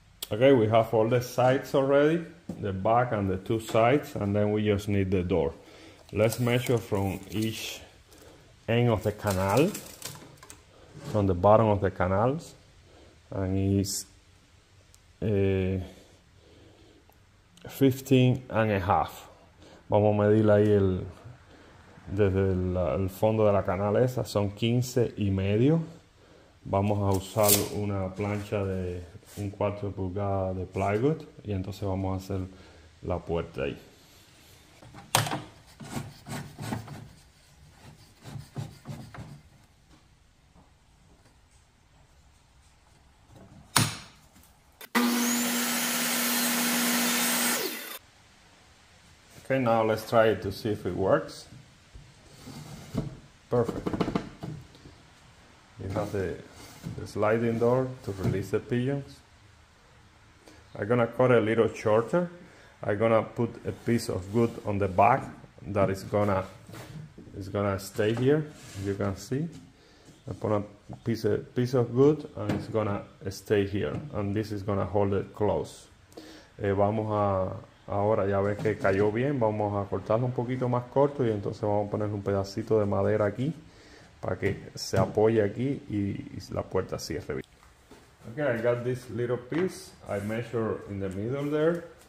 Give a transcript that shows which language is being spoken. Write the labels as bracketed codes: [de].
[en] Okay, we have all the sides already, the back and the two sides, and then we just need the door. Let's measure from each end of the canal, from the bottom of the canals, and it's 15 and a half. [es] Vamos a medir ahí el desde el fondo de la canal esa, son 15 y medio. Vamos a usar una plancha de un 4 pulgadas de plywood y entonces vamos a hacer la puerta ahí. [en] Okay, now let's try it to see if it works. Perfect. You have the sliding door to release the pigeons. I'm gonna cut a little shorter. I'm gonna put a piece of wood on the back that is gonna stay here. You can see. I put a piece of wood and it's gonna stay here. And this is gonna hold it close. [es] Vamos a ahora ya ves que cayó bien, vamos a cortarlo un poquito más corto y entonces vamos a poner un pedacito de madera aquí para que se apoye aquí y la puerta cierre bien. [en] Okay, I got this little piece. I measure in the middle there.